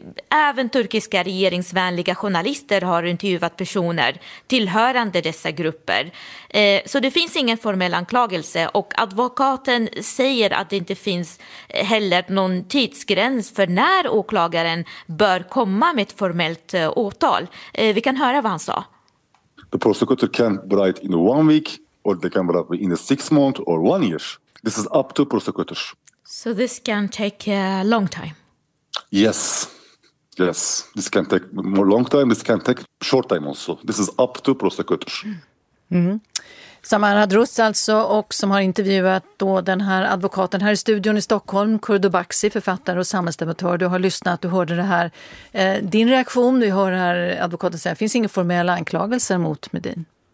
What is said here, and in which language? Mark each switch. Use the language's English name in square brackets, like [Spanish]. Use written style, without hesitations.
[Swedish] Även turkiska regeringsvänliga journalister har intervjuat personer tillhörande dessa grupper. Så det finns ingen formell anklagelse, och advokaten säger att det inte finns heller någon tidsgräns för när åklagaren bör komma med ett formellt åtal. Vi kan höra vad han sa. [English] The prosecutor can write in 1 week or they can write in 6 months or 1 year. This is up to prosecutors. So this can take a long time. Yes. Yes, this can take more long time, this can take short time also. This is up to prosecutors. [Swedish] Saman Adros alltså, och som har intervjuat då den här advokaten här i studion i Stockholm, Kurdo Baksi, författare och samhällsdebattör. Du har lyssnat, du hörde det här. Din reaktion, du hör här advokaten säga, finns ingen formella anklagelser mot Medin?